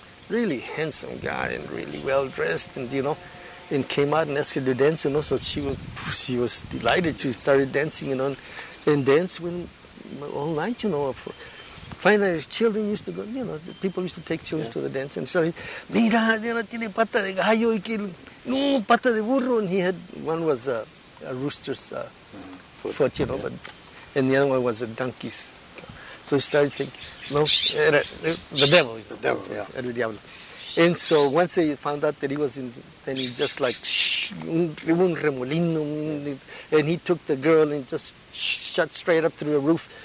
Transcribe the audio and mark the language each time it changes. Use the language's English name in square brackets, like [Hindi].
[English] Really handsome guy and really well-dressed and, you know. And came out and asked her to dance, you know, so she was delighted. She started dancing, you know, and danced when all night, you know. Finally, children used to go, you know, people used to take children to the dance. And so, [Spanish] mira, ella tiene pata de gallo y que no, pata de burro. [English] And he had, one was a rooster's foot, you know, but, and the other one was a donkey's. So he started thinking, no, the devil. The devil, yeah. [Spanish] El diablo. [English] And so once he found out that he was in, then he just like, [Spanish] un remolino, [English] and he took the girl and just shot straight up through the roof.